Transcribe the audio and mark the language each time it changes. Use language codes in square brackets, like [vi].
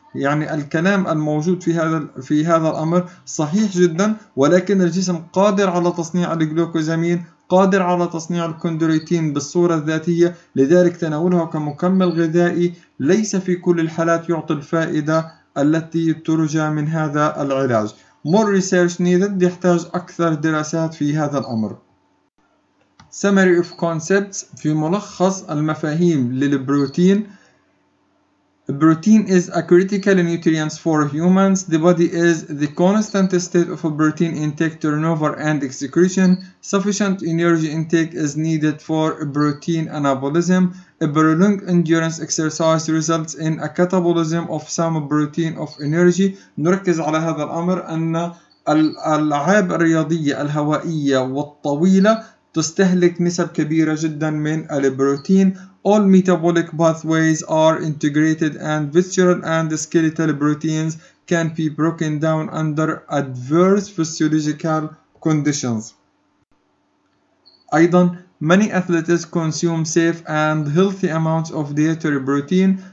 [ar] يعني الكلام الموجود في هذا الأمر صحيح جدا، ولكن الجسم قادر على تصنيع الجلوكوزامين، قادر على تصنيع الكوندرويتين بالصورة الذاتية، لذلك تناولها كمكمل غذائي ليس في كل الحالات يعطي الفائدة التي ترجى من هذا العلاج. [en] More research needed، [ar] يحتاج أكثر دراسات في هذا الأمر. [en] Summary of concepts، [ar] في ملخص المفاهيم للبروتين. [en] Protein is a critical nutrient for humans. The body is the constant state of a protein intake, turnover and excretion. Sufficient energy intake is needed for protein anabolism. A prolonged endurance exercise results in a catabolism of some protein of energy. [ar] نركز على هذا الأمر، أن الألعاب الرياضية الهوائية والطويلة تستهلك نسب كبيرة جدا من البروتين. [en] All metabolic pathways are integrated and visceral and skeletal proteins can be broken down under adverse physiological conditions. أيضا many athletes consume safe and healthy amounts of dietary protein.